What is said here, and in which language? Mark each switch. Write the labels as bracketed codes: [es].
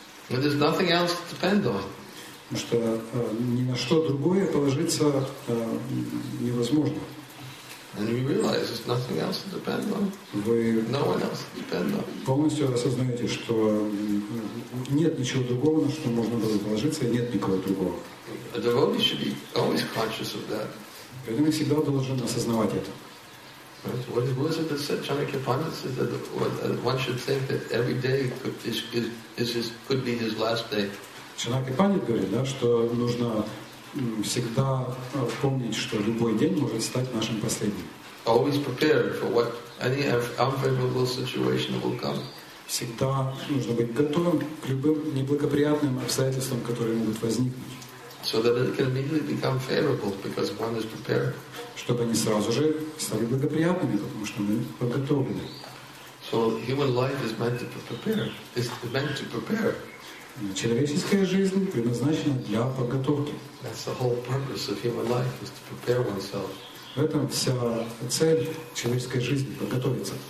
[en] And there's nothing else to depend on. [ru] Потому что ни на что другое положиться невозможно. [en] And you realize there's nothing else to depend on. [ru] Вы [en] no one else to depend on. [ru] Полностью осознаете, что нет ничего другого, на что можно было положиться, и нет никого другого. [en] A devotee should be always conscious of that. [ru] Поэтому всегда должен осознавать это. [en] What was it that said Chanakya Pandit said that one should think that every day could be his last day. [ru] Chanakya Pandit говорит, да, что нужно всегда помнить, что любой день может стать нашим последним. [en] Always prepared for what any unfavorable situation will come. [ru] Всегда нужно быть готовым к любым неблагоприятным обстоятельствам, которые могут возникнуть. [en] So that it can immediately become favorable because one is prepared. [ru] Чтобы они сразу же стали благоприятными, потому что мы подготовлены. [en] So human life is meant to prepare. It's meant to prepare. [ru] Человеческая жизнь предназначена для подготовки. [en] That's the whole purpose of human life, is to prepare oneself. [ru] В этом вся цель человеческой жизни — подготовиться.